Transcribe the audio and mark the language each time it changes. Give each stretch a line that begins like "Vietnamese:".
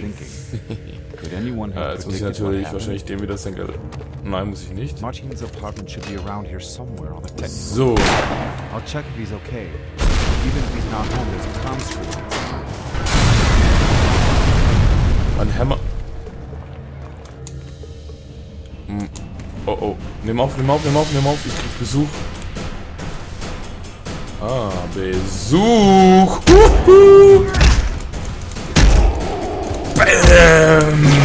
German: jetzt muss ich natürlich wahrscheinlich dem wieder sein Geld. Nein, muss ich nicht.
English: Martin's apartment should be around here somewhere on the technical.
German: So.
English: I'll check if he's okay. Even if he's not home, there's a comm screen.
German: Ein Hammer. Oh oh. Nimm auf, nimm auf, nimm auf, nimm auf. Ich krieg Besuch. Ah, Besuch! Uh-huh. Bam.